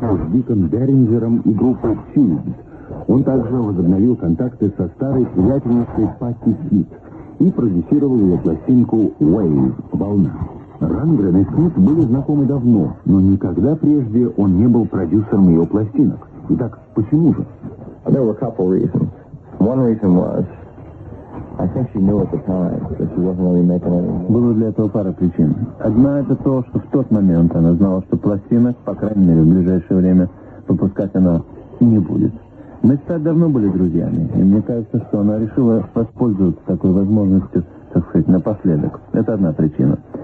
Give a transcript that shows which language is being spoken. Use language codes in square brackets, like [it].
[ru] Диком Дерингером и группой Чиндс. Он также возобновил контакты со старой приятельницей Патти Кит и продюсировал ее пластинку «Wave» — «Волна». Рангрен и Кит были знакомы давно, но никогда прежде он не был продюсером ее пластинок. Итак, почему же? [en] There were a couple reasons. One reason was, I think she knew at the time that she wasn't really making any money. [ru] Было для этого пара причин. Одна — это то, что в тот момент она знала, что пластинок, по крайней мере, в ближайшее время выпускать она не будет. Мы с Тай давно были друзьями, и мне кажется, что она решила воспользоваться такой возможностью, так сказать, напоследок. Это одна причина.